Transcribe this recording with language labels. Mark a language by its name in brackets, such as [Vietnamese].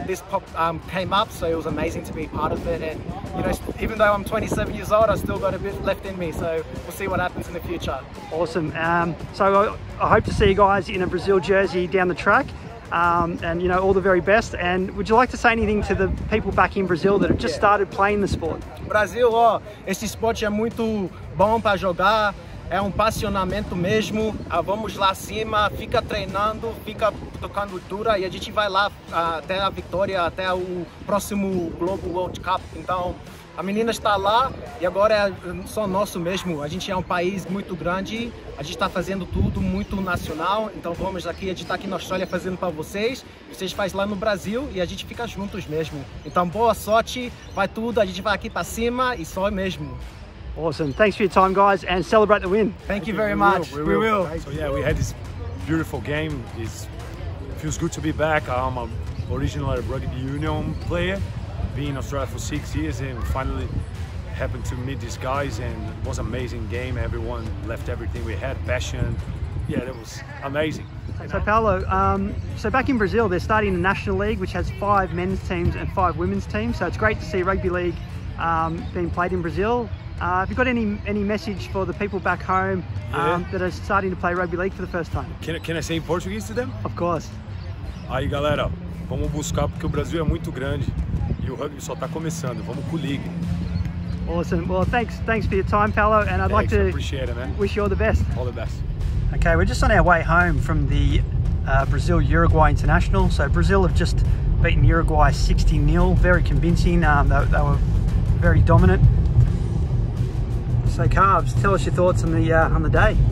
[English] This came up, so it was amazing to be part of it. And, you know, even though I'm 27 years old, I still got a bit left in me. So we'll see what happens in the future. Awesome. So I hope to see you guys in a Brazil jersey down the track. And you know, all the very best. And would you like to say anything to the people back in Brazil that have just started playing the sport? [Portuguese] Brasil, ó, esse esporte é muito bom para jogar, é passionamento mesmo. Vamos lá cima, fica treinando, fica tocando dura e a gente vai lá até a vitória, até o próximo Global World Cup. Então, a menina está lá e agora é só nosso mesmo. A gente é país muito grande, a gente está fazendo tudo muito nacional. Então vamos aqui, a gente está aqui na Austrália fazendo para vocês. Vocês fazem lá no Brasil e a gente fica juntos mesmo. Então boa sorte, vai tudo, a gente vai aqui para cima e só mesmo. [English] Awesome. Thanks for your time, guys, and celebrate the win. Thank you very much. We will. So yeah, we had this beautiful game. It feels good to be back. I'm an original Rugby Union player. Been in Australia for 6 years and finally happened to meet these guys, and it was an amazing game. Everyone left everything we had, passion. Yeah, it was amazing. So Paulo, so back in Brazil they're starting a national league which has 5 men's teams and 5 women's teams, so it's great to see rugby league being played in Brazil. Have you got any message for the people back home that are starting to play rugby league for the first time? Can I say in Portuguese to them? Of course. [Portuguese] Aí galera, vamos buscar porque o Brasil é muito grande. O rugby só está começando, vamos com o league. [English] Awesome. Well, thanks for your time, Paulo, and I'd like to appreciate it, man. Wish you all the best. All the best. Okay, we're just on our way home from the Brazil-Uruguay International. So Brazil have just beaten Uruguay 60-0, very convincing. They were very dominant. So Carbs, tell us your thoughts on the day.